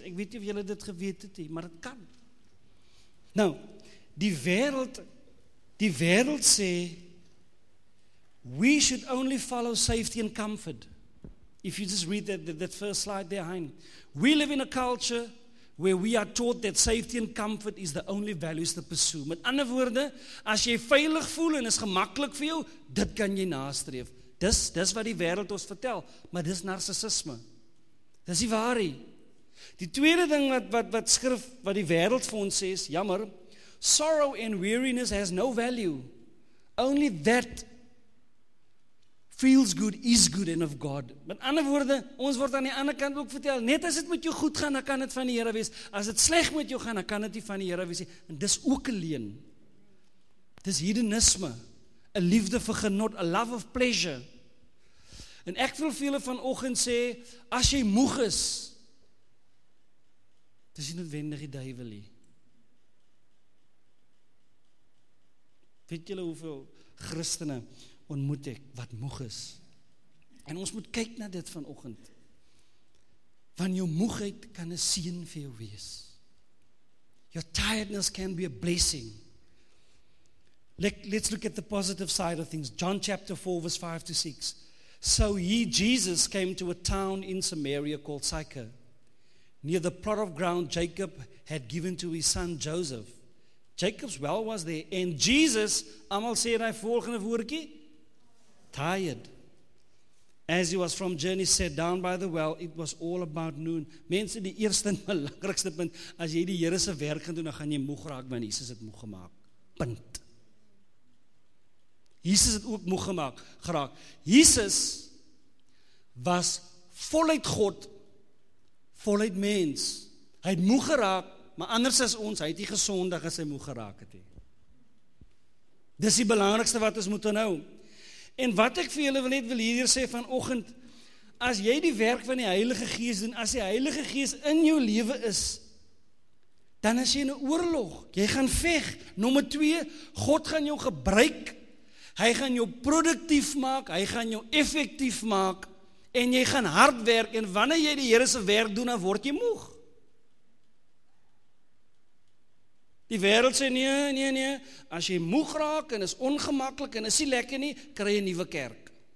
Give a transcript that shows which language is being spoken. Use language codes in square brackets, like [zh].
[af] Ek weet nie of julle dit geweet het nie, maar het kan. Nou, die wereld sê, [en] we should only follow safety and comfort. If you just read that first slide there, Hein. We live in a culture where we are taught that safety and comfort is the only values to pursue. [af] Met ander woorde, as jy veilig voel en is gemakkelijk vir jou, dit kan jy nastreef. Dis wat die wereld ons vertel, maar dis narcissisme. Dis die waarheid. Die tweede ding wat die wereld vir ons sê is, jammer, [en] sorrow and weariness has no value. Only that feels good, is good and of God. [af] Met ander woorde, ons word aan die ander kant ook vertel, net as het met jou goed gaan, dan kan het van die Here wees. As het sleg met jou gaan, dan kan het nie van die Here wees. En dis ook 'n leen. Dis hedonisme. A liefde vir genot, [en] a love of pleasure. [af] En ek wil vir julle vanoggend sê, as jy moeg is, dis nie noodwendig die duivel nie. Weet julle hoeveel Christene ontmoet ek, wat moeg is? En ons moet kyk na dit vanoggend. Want jou moegheid kan 'n seën vir jou wees. [en] Your tiredness can be a blessing. Let's look at the positive side of things. John chapter 4 verse 5 to 6. So he, Jesus, came to a town in Samaria called Sychar, near the plot of ground Jacob had given to his son Joseph. Jacob's well was there, and Jesus, [af] almal sê hy volgende woordjie, [en] tired. As he was from journey, sat down by the well, it was all about noon. [af] Mense, die eerste en belangrikste punt, as jy die Here se werk gaan doen, dan gaan jy moeg raak, want Jesus het moeg gemaak. Punt. Jesus het ook moeg geraak. Jesus was voluit God, voluit mens. Hy het moeg geraak, maar anders as ons, hy het nie gesondig as hy moeg geraak het. Dis die belangrikste wat ons moet onthou. En wat ek vir julle wil hier sê vanoggend, as jy die werk van die Heilige Gees doen, as die Heilige Gees in jou lewe is, dan is jy in 'n oorlog. Jy gaan veg. Nommer 2, God gaan jou gebruik. Hy gaan jou produktief maak, hy gaan jou effektief maak, en jy gaan hard werk, en wanneer jy die Here se werk doen, dan word jy moeg. Die wereld sê, nee, as jy moeg raak, en is ongemaklik, en is nie lekker nie, kry jy 'n nuwe kerk.